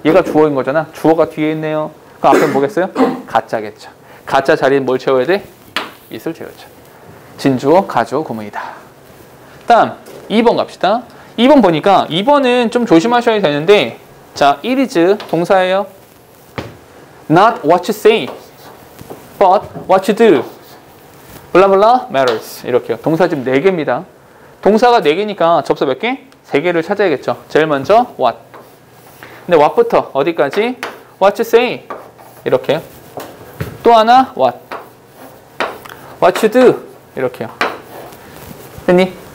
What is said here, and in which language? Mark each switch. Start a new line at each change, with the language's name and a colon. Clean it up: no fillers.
Korean: 얘가 주어인 거잖아. 주어가 뒤에 있네요. 그 앞에 뭐겠어요? 가짜겠죠. 가짜 자리는 뭘 채워야 돼? 있을 채워야죠. 진주어, 가주어, 구문이다. 다음 2번 갑시다. 2번 보니까 2번은 좀 조심하셔야 되는데, 자, it is 동사예요.
English: Not what you say but what you do
Korean: 블라블라
English: matters.
Korean: 이렇게요. 동사 지금 네 개입니다. 동사가 네 개니까 접속 몇 개? 세 개를 찾아야겠죠. 제일 먼저 what. 근데 what부터 어디까지?
English: what you say.
Korean: 이렇게요. 또 하나 what.
English: what you do.
Korean: 이렇게요. 됐니?